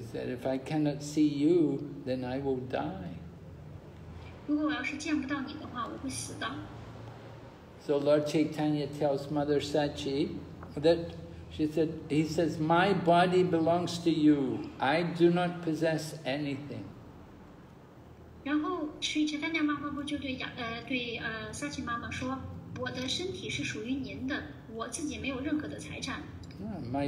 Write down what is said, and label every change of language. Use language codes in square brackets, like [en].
[en] said, "If I cannot see you, then I will die." [zh] 如果我要是见不到你的话，我会死的。 [en] So Lord Chaitanya tells Mother Sachi that she said, he says, "My body belongs to you. I do not possess anything." [zh] 然后，Sri Chaitanya Mahaprabhu 就对萨琪 妈妈 说：“我的身体是属于您的，我自己没有任何的财产。” [en] My